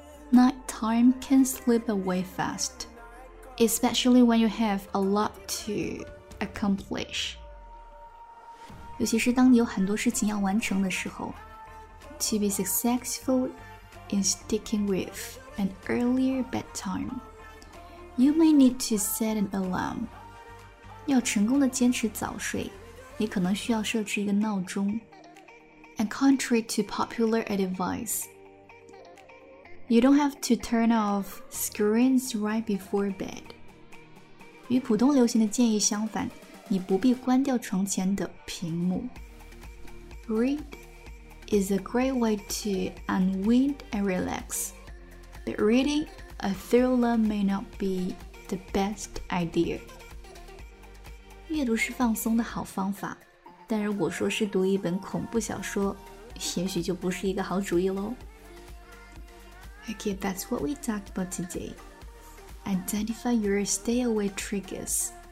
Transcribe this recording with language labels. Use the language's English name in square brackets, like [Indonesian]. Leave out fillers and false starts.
[English] Nighttime can slip away fast, especially when you have a lot to accomplish. [Chinese] 尤其是当你有很多事情要完成的时候。 [English] To be successful in sticking with an earlier bedtime, you may need to set an alarm. [Chinese] 要成功的坚持早睡，你可能需要设置一个闹钟。 [English] And contrary to popular advice,You don't have to turn off screens right before bed. [Chinese] 与普通流行的建议相反，你不必关掉床前的屏幕。 [English] Read is a great way to unwind and relax, but reading a thriller may not be the best idea. [Chinese] 阅读是放松的好方法，但如果说是读一本恐怖小说，也许就不是一个好主意咯。 [English] Okay, that's what we talked about today. Identify your stay away triggers.